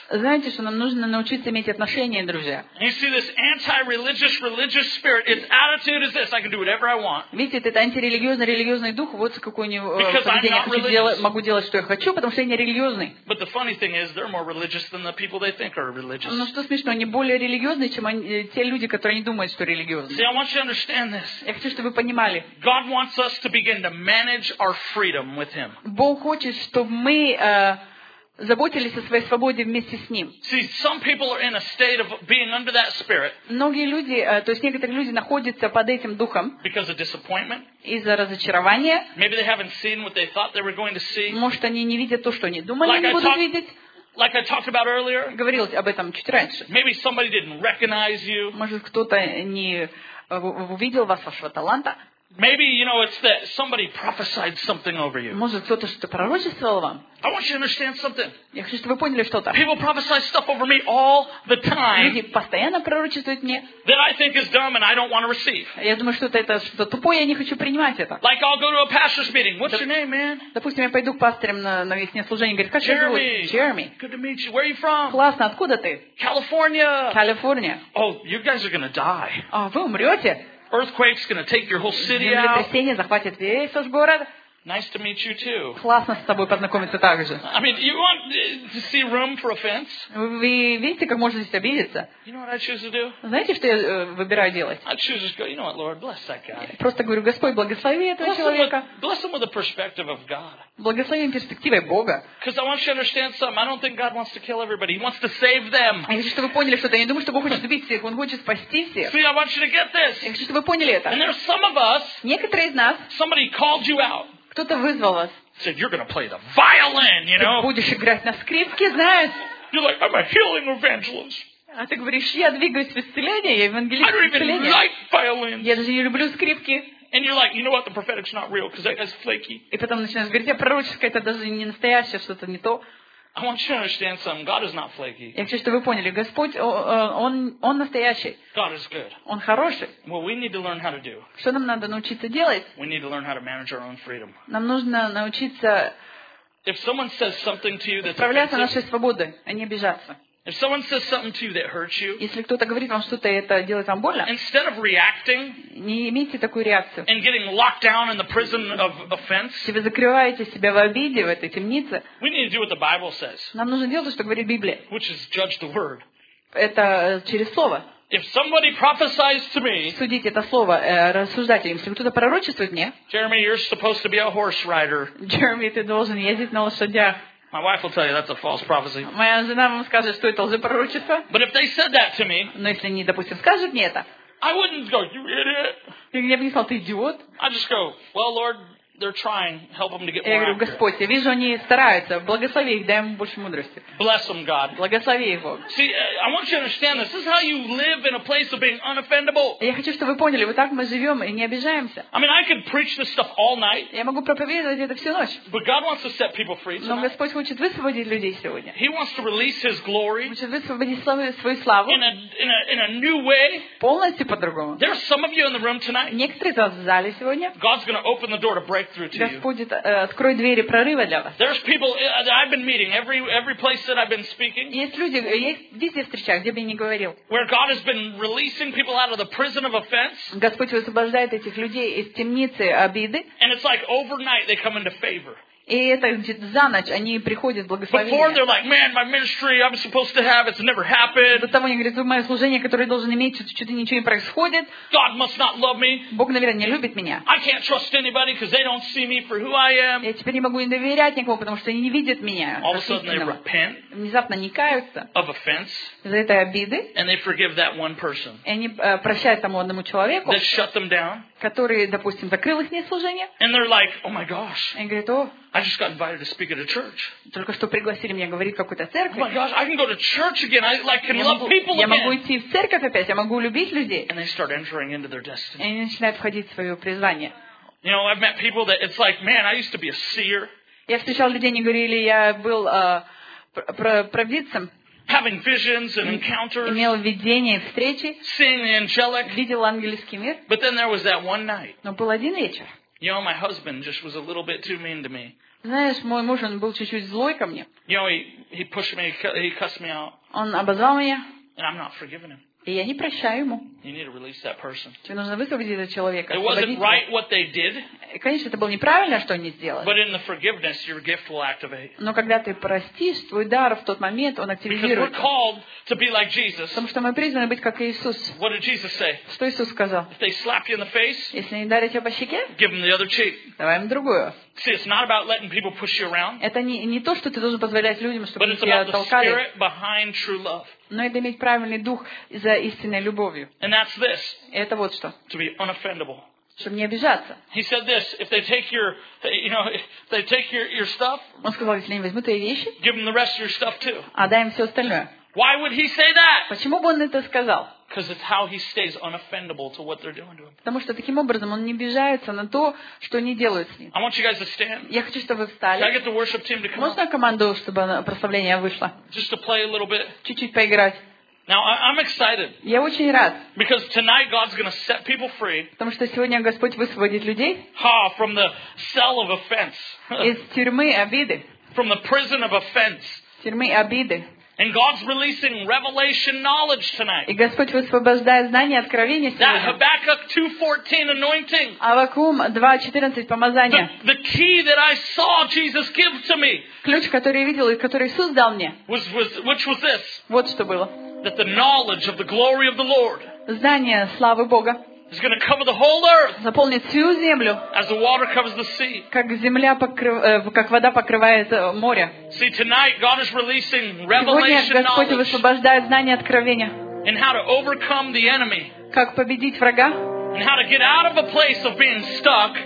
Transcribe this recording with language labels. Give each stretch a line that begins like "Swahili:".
Russian: Знаете, что нам нужно научиться иметь отношения, друзья?
English: You see this anti-religious spirit? Its attitude is this: I can do whatever I want.
Russian: Видите, это антирелигиозный дух. Вот какой у него поведение. Могу делать, что я хочу, потому что я не религиозный.
English: But the funny thing is, they're more religious than the people they think are religious.
Russian: Но что смешно, они более религиозные, чем те люди, которые не думают, что религиозные.
English: See, I want you to understand this.
Russian: Я хочу, чтобы вы понимали.
English: God wants us to begin to manage our freedom with Him.
Russian: Бог хочет, чтобы мы заботились о своей свободе вместе с Ним. Многие люди, то есть некоторые люди находятся под этим духом из-за разочарования.
English: Maybe they haven't seen what they thought they were going to see.
Russian: Может, они не видят то, что они думали, они будут видеть.
English: Like I talked about earlier.
Russian: Говорилось об этом чуть раньше.
English: Maybe somebody didn't recognize you.
Russian: Может, кто-то не увидел вас, вашего таланта.
English: Maybe you know it's that somebody prophesied something over you.
Russian: Может, кто-то что-то пророчествовал вам?
English: I want you to understand something.
Russian: Я хочу, чтобы вы поняли что-то.
English: People prophesy stuff over me all the time.
Russian: Люди постоянно пророчествуют мне.
English: That I think is dumb and I don't want to receive.
Russian: Я думаю, что это тупое, я не хочу принимать это.
English: Like I'll go to a pastor's meeting. What's your name, man?
Russian: Допустим, я пойду к пасторам на их служение, говорю, как тебя зовут?
English: Jeremy. Good to meet you. Where are you from?
Russian: Классно, откуда ты?
English: California.
Russian: California.
English: Oh, you guys are gonna die.
Russian: А вы умрете?
English: Earthquake's going to take your whole city out.
Russian: Землетрясение захватит весь ваш город.
English: Nice to meet you too.
Russian: Классно с тобой познакомиться также.
English: I mean, you want to see room for offense?
Russian: Вы видите, как можно здесь обидеться?
English: You know what I choose to do?
Russian: Знаете, что я выбираю делать?
English: I choose to go, you know what, Lord, bless that guy.
Russian: Просто говорю, Господь, благослови этого человека.
English: Bless him with the perspective of God.
Russian: Благослови им перспективой Бога.
English: Because I want you to understand something. I don't think God wants to kill everybody. He wants to save them.
Russian: Я хочу, чтобы вы поняли что-то. Я не думаю, что Бог хочет убить всех. Он хочет спасти всех.
English: See, I want you to get this.
Russian: Я хочу, чтобы вы поняли это.
English: And there are some of us.
Russian: Некоторые из нас.
English: Somebody called you out.
Russian: Кто-то вызвал вас.
English: Said you're going to play the violin, you know?
Russian: Ты будешь играть на скрипке, знаешь?
English: You're like, I'm a healing evangelist.
Russian: А ты говоришь, я двигаюсь в исцеление, я евангелист исцеления.
English: I don't even like violins.
Russian: Я даже не люблю скрипки.
English: And you're like, you know what? The prophetic's not real because that guy's flaky.
Russian: И потом начинаешь говорить, я пророческое, это даже не настоящее, что-то не то.
English: I want you to understand something. God is not flaky.
Russian: Я хочу, чтобы вы поняли, Господь, он настоящий.
English: God is good.
Russian: Он хороший.
English: What we need to learn how to do?
Russian: Что нам надо научиться делать?
English: We need to learn how to manage our own freedom.
Russian: Нам нужно научиться.
English: If someone says something to you that's
Russian: справляться нашей свободой, а не обижаться.
English: If someone says something to you that hurts you,
Russian: если кто-то говорит вам что-то, это делает вам больно.
English: Instead of reacting,
Russian: не имейте такую реакцию.
English: And getting locked down in the prison of offense,
Russian: если вы закрываете себя в обиде в этой темнице.
English: We need to do what the Bible says.
Russian: Нам нужно делать то, что говорит Библия.
English: Which is judge the word.
Russian: Это через слово.
English: If somebody prophesies to me,
Russian: судить это слово, рассуждать о нем. Если кто-то пророчествует мне.
English: Jeremy, you're supposed to be a horse rider.
Russian: Jeremy, ты должен ездить на лошадях.
English: My wife will tell you that's a false prophecy.
Russian: Моя жена вам скажет, что это лжепророчество.
English: But if they said that to me,
Russian: но если они, допустим, скажут мне это,
English: I wouldn't go, you idiot.
Russian: Я бы не сказал, ты идиот.
English: I just go, well, Lord, they're trying, help them to get more.
Russian: Я говорю, Господь, я вижу, они стараются, благослови их, дай им больше мудрости.
English: Bless them, God.
Russian: Благослови их, Бог.
English: See, I want you to understand this. This is how you live in a place of being unoffendable.
Russian: Я хочу, чтобы вы поняли, вот так мы живем и не обижаемся.
English: I mean, I could preach this stuff all night.
Russian: Я могу проповедовать это всю ночь.
English: But God wants to set people free tonight.
Russian: Но Господь хочет высвободить людей сегодня.
English: He wants to release His glory.
Russian: Он хочет высвободить свою славу.
English: In a new way.
Russian: Полностью по-другому.
English: There are some of you in the room tonight.
Russian: Некоторые из вас в зале сегодня.
English: God's going to open the door to break.
Russian: Господь откроет двери прорыва для вас.
English: There's people I've been meeting every place that I've been speaking.
Russian: Есть люди, есть везде встречах, где бы я ни говорил.
English: Where God has been releasing people out of the prison of offense.
Russian: Господь высвобождает этих людей из темницы обиды.
English: And it's like overnight they come into favor.
Russian: И это значит, за ночь они приходят в благословение.
English: Before they're like, man, my ministry I'm supposed to have, it's never happened.
Russian: До того они говорят, мое служение, которое я должен иметь, что-то ничего не происходит.
English: God must not love me.
Russian: Бог, наверное, не любит меня.
English: I can't trust anybody because they don't see me for who I am.
Russian: Я теперь не могу им доверять никому, потому что они не видят меня.
English: All of a sudden they repent.
Russian: Внезапно они каются.
English: Of offense.
Russian: За этой обиды.
English: And they forgive that one person.
Russian: И они прощают тому одному человеку.
English: That shut them down.
Russian: Который, допустим, закрыл их служение.
English: And they're like, oh my gosh.
Russian: И говорят, о.
English: I just got invited to speak at a church.
Russian: Только что пригласили меня говорить в какой-то церкви.
English: Oh my gosh, I can go to church again. I like can love people again.
Russian: Я могу идти в церковь опять. Я могу любить людей.
English: And they start entering into their destiny.
Russian: И они начинают входить в свое призвание.
English: You know, I've met people that it's like, man, I used to be a seer.
Russian: Я встречал людей, они говорили, я был провидцем.
English: Having visions and encounters.
Russian: Имел видения и встречи.
English: Seeing the angelic.
Russian: Видел ангельский мир.
English: But then there was that one night.
Russian: Но был один вечер.
English: You know, my husband just was a little bit too mean to me.
Russian: Знаешь, мой муж, он был чуть-чуть злой ко мне.
English: You know, he pushed me, he cussed me out.
Russian: Он обозвал меня.
English: And I'm not forgiving him.
Russian: И я не прощаю ему.
English: You need to release that person.
Russian: Тебе нужно высвободить этого человека.
English: It wasn't right what they did.
Russian: Конечно, это было неправильно, что они сделали.
English: But in the forgiveness, your gift will activate.
Russian: Но когда ты простишь, твой дар в тот момент, он активизируется.
English: Because we're called to be like Jesus.
Russian: Потому что мы призваны быть как Иисус.
English: What did Jesus say?
Russian: Что Иисус сказал?
English: If they slap you in the face,
Russian: если они дарят тебя по щеке,
English: give them the other cheek.
Russian: Давай им другую.
English: See, it's not about letting people push you around.
Russian: Это не то, что ты должен позволять людям, чтобы тебя толкали.
English: But it's about the spirit behind true love.
Russian: Но это иметь правильный дух за истинной любовью.
English: And that's this.
Russian: Это вот что.
English: To be unoffendable.
Russian: Чтобы не обижаться.
English: He said this: if they take your, you know, if they take your stuff.
Russian: Он сказал, если они возьмут твои вещи.
English: Give them the rest of your stuff too.
Russian: А дай им все остальное.
English: Why would he say that?
Russian: Почему бы он это сказал?
English: Because it's how he stays unoffendable to what they're doing to him.
Russian: Потому что таким образом он не обижается на то, что они делают с ним.
English: I want you guys to stand.
Russian: Я хочу, чтобы вы встали.
English: Can I get the worship team to come?
Russian: Можно команду, чтобы прославление вышло?
English: Just to play a little bit.
Russian: Чуть-чуть поиграть.
English: Now I'm excited.
Russian: Я очень рад.
English: Because tonight God's going to set people free.
Russian: Потому что сегодня Господь высвободит людей.
English: Ha! From the cell of offense.
Russian: Из тюрьмы обиды.
English: From the prison of offense.
Russian: Тюрьмы обиды.
English: And God's releasing revelation knowledge tonight.
Russian: И Господь высвобождает знание, откровение сегодня.
English: That Habakkuk 2:14 anointing.
Russian: Аввакум 2:14 помазание.
English: The key that I saw Jesus give to me.
Russian: Ключ, который я видел и который Иисус дал мне.
English: Which was this?
Russian: Вот что было.
English: That the knowledge of the glory of the Lord.
Russian: Знание славы Бога.
English: Is going to cover the whole earth.
Russian: Заполнит всю землю.
English: As the water covers the sea.
Russian: Как земля как вода покрывает море.
English: See, tonight God is releasing revelation knowledge.
Russian: Сегодня Господь высвобождает знание откровения.
English: And how to overcome the enemy.
Russian: Как победить врага?
English: And how to get out of a place of being stuck.